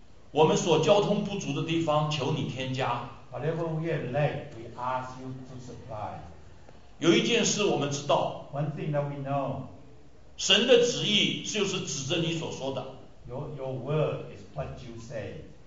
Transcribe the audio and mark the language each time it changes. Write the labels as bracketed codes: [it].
[zh] 我们所交通不足的地方，求你添加。 [en] Whatever we have lacked, we ask you to supply. [zh] 有一件事我们知道。 [en] One thing that we know. [zh] 神的旨意就是指着你所说的。 [en] Your word is what you say.